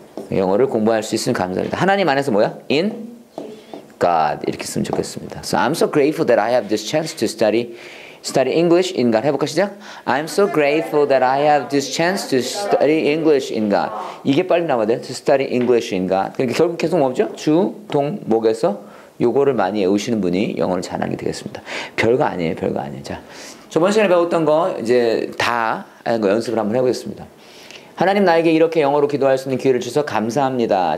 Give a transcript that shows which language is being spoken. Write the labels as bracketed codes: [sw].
[ko] 영어를 공부할 수 있으면 감사합니다. 하나님 안에서 뭐야? [en] In God. [ko] 이렇게 쓰면 좋겠습니다. [en] So I'm so grateful that I have this chance to study English in God. [ko] 해볼까 시작? [en] I'm so grateful that I have this chance to study English in God. [ko] 이게 빨리 나와야 돼. [en] To study English in God. [ko] 그러니까 결국 계속 뭐죠? 주, 동, 목에서 요거를 많이 외우시는 분이 영어를 잘하게 되겠습니다. 별거 아니에요. 별거 아니에요. 자, 저번 시간에 배웠던 거 이제 다 하는 거 연습을 한번 해보겠습니다. 하나님 나에게 이렇게 영어로 기도할 수 있는 기회를 주셔서 감사합니다.